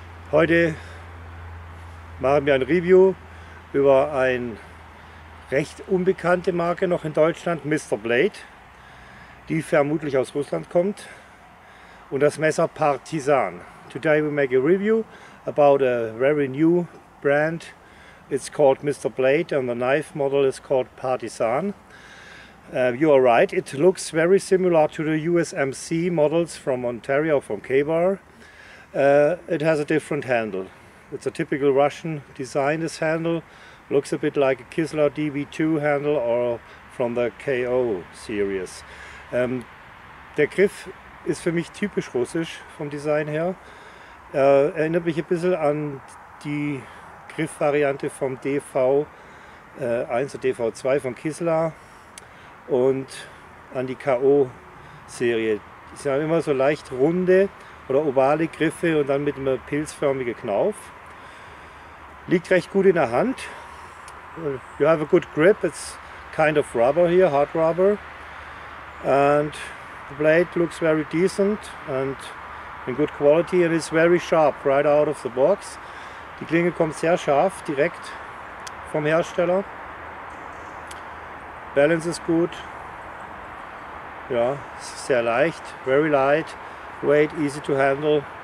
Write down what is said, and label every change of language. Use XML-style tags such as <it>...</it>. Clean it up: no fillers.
<de>Heute machen wir ein Review über eine recht unbekannte Marke noch in Deutschland, Mr. Blade, die vermutlich aus Russland kommt, und das Messer Partisan.</de> <en>Today we make a review about a very new brand. It's called Mr. Blade and the knife model is called Partisan. You are right, it looks very similar to the USMC models from Ontario, from K-Bar. It has a different handle. It's a typical Russian design, this handle. Looks a bit like a Kissler DB2 handle or from the KO series.</en> <de>Der Griff ist für mich typisch russisch vom Design her. Erinnert mich ein bisschen an die Griffvariante vom DV1 oder DV2 von Kissler. Und an die K.O.-Serie. Die sind immer so leicht runde oder ovale Griffe und dann mit einem pilzförmigen Knauf. Liegt recht gut in der Hand.</de> <en>You have a good grip, it's kind of rubber here, hard rubber. And the blade looks very decent and in good quality and is very sharp right out of the box.</en> <de>Die Klinge kommt sehr scharf, direkt vom Hersteller. Balance ist gut, ja, sehr leicht,</de> <en>very light, weight easy to handle.</en>